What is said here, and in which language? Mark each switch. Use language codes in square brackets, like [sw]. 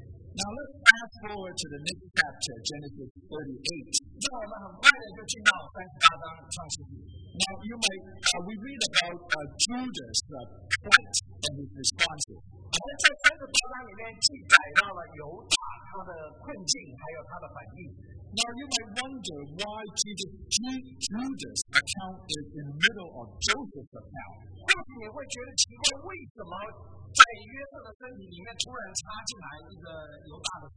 [en] Now let's fast forward to the next chapter, Genesis 38. [zh] 让我们很快的就进到38章创世纪。 [en] Now you might, we read about Judas, the threat and his response. [zh] 我们在38章里面记载到了犹大他的困境，还有他的反应。 [en] Now you might wonder why Judas' account is in the middle of Joseph's account. [zh] 或许你会觉得奇怪，为什么在约瑟的身体里面突然插进来一个犹大的事？